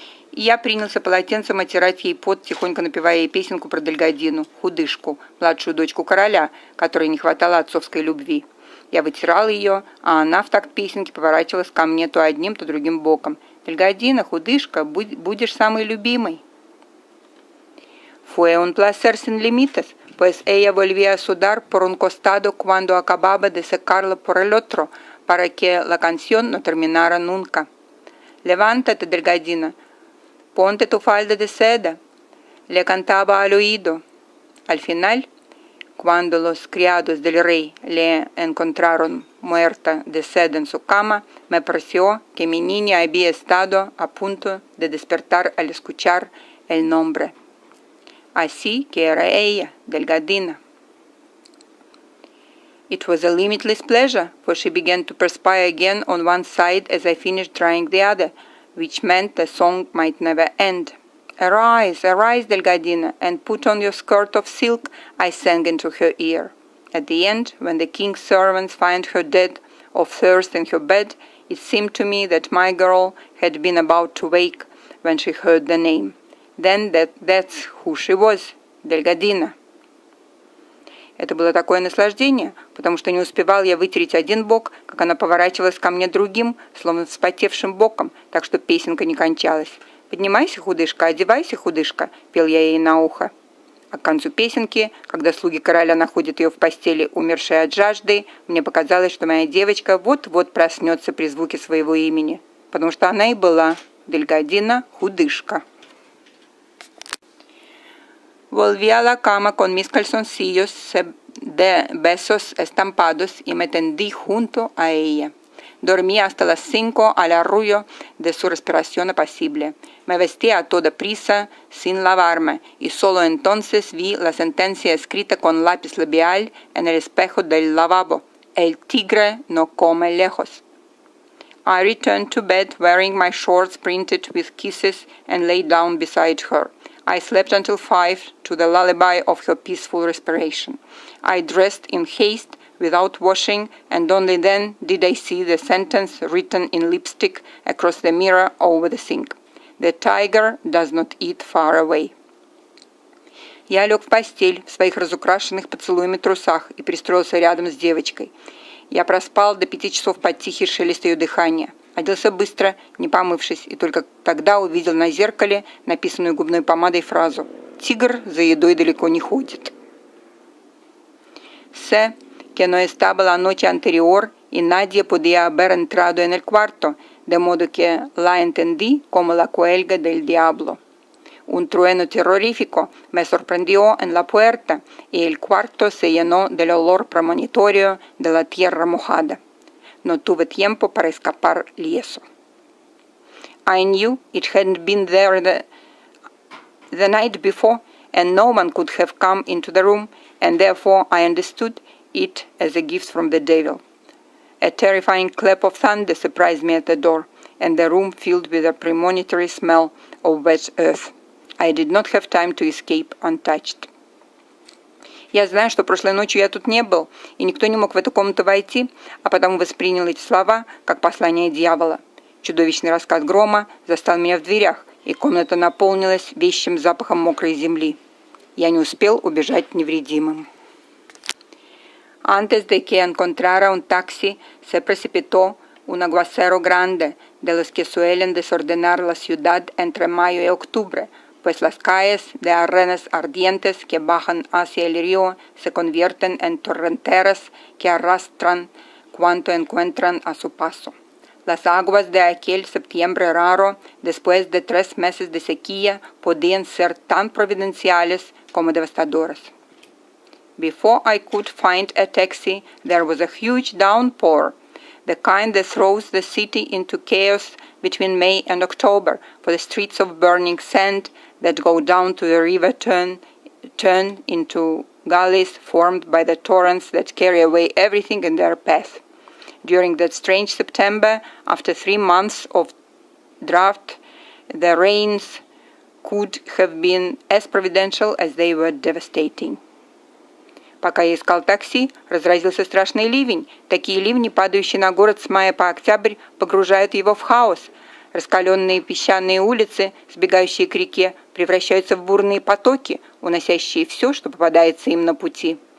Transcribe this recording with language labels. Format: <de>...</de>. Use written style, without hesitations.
<ru>И я принялся полотенцем оттирать ей пот, тихонько напевая ей песенку про Дельгадину, худышку, младшую дочку короля, которой не хватало отцовской любви. Я вытирал ее, а она в такт песенке поворачивалась ко мне то одним, то другим боком. «Дельгадина, худышка, будешь самой любимой!»</ru> <es>Fue un placer sin límites, pues ella volvía a sudar por un costado cuando acababa de secarla por el otro, para que la canción no terminara nunca. «Levántate, delgadina, ponte tu falda de seda», le cantaba al oído. Al final, cuando los criados del rey le encontraron muerta de sed en su cama, me pareció que mi niña había estado a punto de despertar al escuchar el nombre. Así que era ella, delgadina.</es> <en>It was a limitless pleasure, for she began to perspire again on one side as I finished drying the other, which meant the song might never end. Arise, arise, delgadina, and put on your skirt of silk, I sang into her ear. At the end, when the king's servants find her dead of thirst in her bed, it seemed to me that my girl had been about to wake when she heard the name. Then that's who she was, Delgadina.</en> <ru>Это было такое наслаждение, потому что не успевал я вытереть один бок, как она поворачивалась ко мне другим, словно вспотевшим боком, так что песенка не кончалась. «Поднимайся, худышка, одевайся, худышка», — пел я ей на ухо. А к концу песенки, когда слуги короля находят ее в постели, умершей от жажды, мне показалось, что моя девочка вот-вот проснется при звуке своего имени, потому что она и была Дельгадина Худышка.</ru> <es>Volví a la cama con mis calzoncillos de besos estampados y me tendí junto a ella. Dormí hasta las 5 al arrullo de su respiración apacible. Me vestí a toda prisa, sin lavarme, y solo entonces vi la sentencia escrita con lápiz labial en el espejo del lavabo. El tigre no come lejos.</es> <en>I returned to bed wearing my shorts printed with kisses and lay down beside her. I slept until 5 to the lullaby of her peaceful respiration. I dressed in haste, without washing, and only then did I see the sentence written in lipstick across the mirror over the sink. The tiger does not eat far away.</en> <ru>Я лег в постель в своих разукрашенных поцелуями трусах и пристроился рядом с девочкой. Я проспал до 5 часов под тихий шелест ее дыхания. Оделся быстро, не помывшись, и только тогда увидел на зеркале написанную губной помадой фразу «Тигр за едой далеко не ходит».</ru> <es>Se que no estaba la noche anterior y nadie podía haber entrado en el cuarto, de modo que la entendí como la cuelga del diablo. Un trueno terrorífico me sorprendió en la puerta y el cuarto se llenó del olor premonitorio de la tierra mojada. No tuve tiempo para escapar lieso.</es> <en>I knew it hadn't been there the night before and no one could have come into the room and therefore I understood it as a gift from the devil. A terrifying clap of thunder surprised me at the door, and the room filled with a premonitory smell of wet earth. I did not have time to escape untouched.</en> <ru>Я знаю, что прошлой ночью я тут не был, и никто не мог в эту комнату войти, а потому воспринял эти слова как послание дьявола. Чудовищный раскат грома застал меня в дверях, и комната наполнилась вещим запахом мокрой земли. Я не успел убежать невредимым.</ru> <es>Antes de que encontrara un taxi, se precipitó un aguacero grande de los que suelen desordenar la ciudad entre mayo y octubre, pues las calles de arenas ardientes que bajan hacia el río se convierten en torrenteras que arrastran cuanto encuentran a su paso. Las aguas de aquel septiembre raro, después de 3 meses de sequía, podían ser tan providenciales como devastadoras.</es> <en>Before I could find a taxi, there was a huge downpour, the kind that throws the city into chaos between May and October, for the streets of burning sand that go down to the river turn into gullies formed by the torrents that carry away everything in their path. During that strange September, after 3 months of drought, the rains could have been as providential as they were devastating.</en> <ru>Пока я искал такси, разразился страшный ливень. Такие ливни, падающие на город с мая по октябрь, погружают его в хаос. Раскаленные песчаные улицы, сбегающие к реке, превращаются в бурные потоки, уносящие все, что попадается им на пути.</ru>